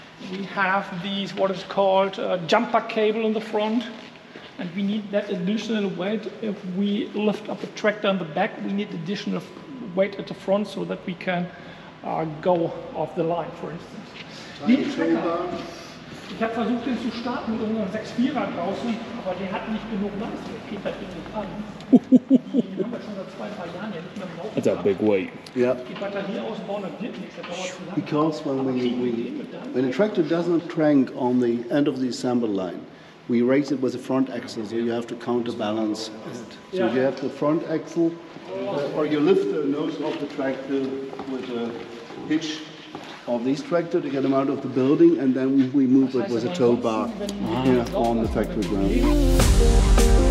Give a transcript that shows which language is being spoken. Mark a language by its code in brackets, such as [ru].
[en] We have these, what is called a jumper cable in the front. And we need that additional weight. If we lift up a tractor in the back, we need additional weight at the front so that we can go off the line, for instance. [de] Liebe Tracker, ich habe versucht, den zu starten mit unserem 6-4er draußen, aber der hat nicht genug Leistung. Peter, geht nicht an. Die haben wir schon seit 2-3 Jahren ja nicht mehr drauf. [en] That's a big weight. Yeah. [de] Die Batterie ausbauen, das wird nichts. [en] Because when a tractor does not crank on the end of the assembly line, we raise it with the front axle, so you have to counterbalance it. So yeah. You have the front axle, or you lift the nose of the tractor with a hitch of this tractor to get him out of the building, and then we move it with a tow bar on the factory ground.